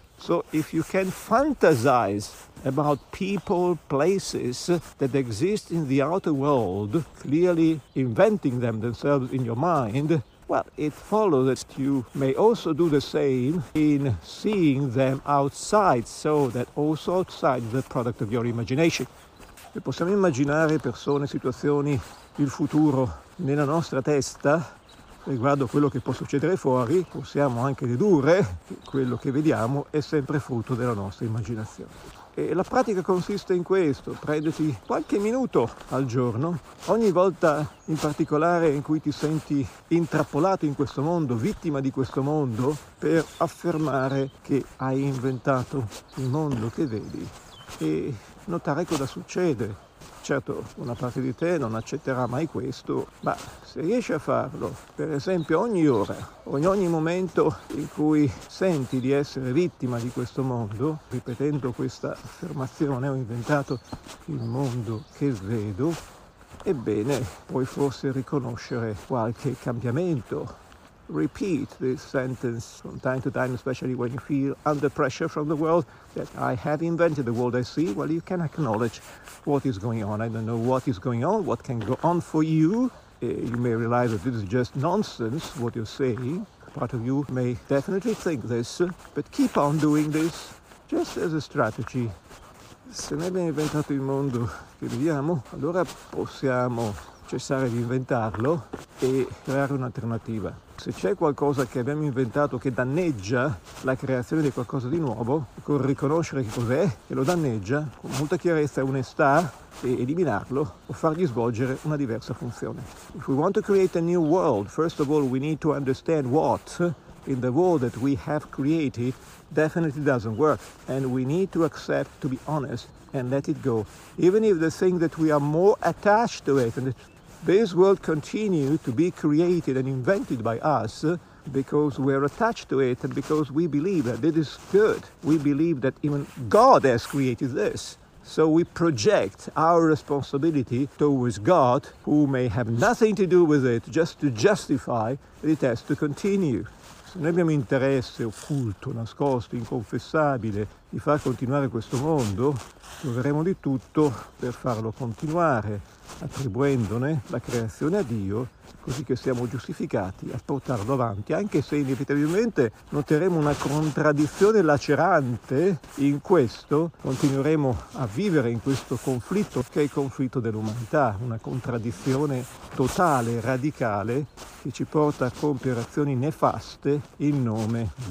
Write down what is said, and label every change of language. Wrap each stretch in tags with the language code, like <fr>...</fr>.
<en>So if you can fantasize about people, places that exist in the outer world, clearly inventing them themselves in your mind, well, it follows that you may also do the same in seeing them outside, so that also outside the product of your imagination.</en> <it>E possiamo immaginare persone, situazioni, il futuro nella nostra testa, riguardo quello che può succedere fuori, possiamo anche dedurre che quello che vediamo è sempre frutto della nostra immaginazione. E la pratica consiste in questo: prenditi qualche minuto al giorno, ogni volta in particolare in cui ti senti intrappolato in questo mondo, vittima di questo mondo, per affermare che hai inventato il mondo che vedi e notare cosa succede. Certo, una parte di te non accetterà mai questo, ma se riesci a farlo, per esempio ogni ora, ogni momento in cui senti di essere vittima di questo mondo, ripetendo questa affermazione, ho inventato il mondo che vedo, ebbene, puoi forse riconoscere qualche cambiamento.</it> <en>Repeat this sentence from time to time, especially when you feel under pressure from the world, that I have invented the world I see. Well, you can acknowledge what is going on. I don't know what is going on, what can go on for you. You may realize that this is just nonsense, what you're saying. Part of you may definitely think this, but keep on doing this, just as a strategy.</en> <it>Se noi abbiamo inventato il mondo che viviamo, allora possiamo cessare di inventarlo e creare un'alternativa. Se c'è qualcosa che abbiamo inventato che danneggia la creazione di qualcosa di nuovo, occorre riconoscere che cos'è che lo danneggia con molta chiarezza e onestà e eliminarlo o fargli svolgere una diversa funzione.</it> <en>If we want to create a new world, first of all we need to understand what in the world that we have created definitely doesn't work, and we need to accept, to be honest, and let it go. Even if the thing that we are more attached to it, and this world continues to be created and invented by us because we're attached to it and because we believe that it is good. We believe that even God has created this. So we project our responsibility towards God, who may have nothing to do with it, just to justify that it has to continue.</en> <it>Se noi abbiamo interesse occulto, nascosto, inconfessabile di far continuare questo mondo, troveremo di tutto per farlo continuare, attribuendone la creazione a Dio, così che siamo giustificati a portarlo avanti, anche se inevitabilmente noteremo una contraddizione lacerante in questo, continueremo a vivere in questo conflitto, che è il conflitto dell'umanità, una contraddizione totale, radicale, che ci porta a compiere azioni nefaste in nome</it>